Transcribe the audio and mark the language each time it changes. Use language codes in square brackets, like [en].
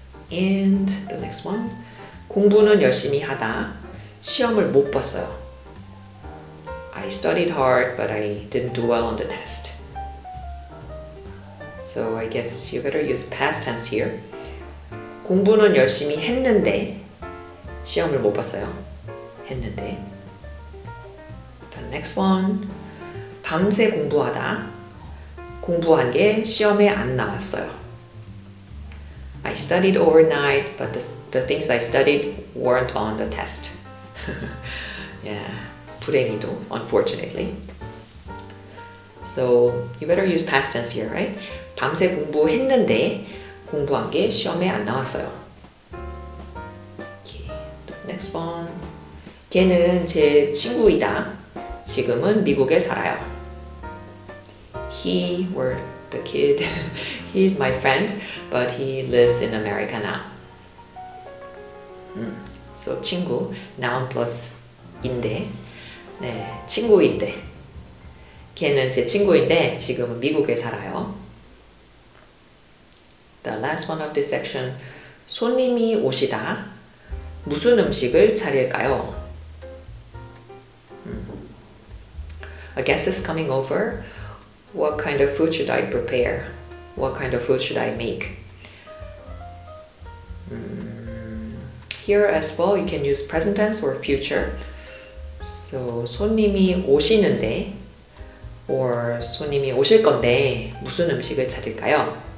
[en] And the next one. [ko] 공부는 열심히 하다. 시험을 못 봤어요. [en] I studied hard, but I didn't do well on the test. So I guess you better use past tense here. [ko] 공부는 열심히 했는데, 시험을 못 봤어요. 했는데. [en] The next one. [ko] 밤새 공부하다. 공부한 게 시험에 안 나왔어요. [en] I studied overnight, but the things I studied weren't on the test. Yeah. [ko] 불행히도, [en] unfortunately. So, you better use past tense here, right? [ko] 밤새 공부했는데 공부한 게 시험에 안 나왔어요. [en] Next one. [ko] 걔는 제 친구이다. 지금은 미국에 살아요. [en] He, or the kid, He's my friend, but he lives in America now. [ko] So 친구, [en] noun plus [ko] 인데. 네, 친구인데. 걔는 제 친구인데 지금은 미국에 살아요. [en] The last one of this section. [ko] 손님이 오시다. 무슨 음식을 차릴까요? [en] A guest is coming over. What kind of food should I prepare? What kind of food should I make? Here as well, you can use present tense or future. [ko] So, 손님이 오시는데 or 손님이 오실 건데 무슨 음식을 차릴까요?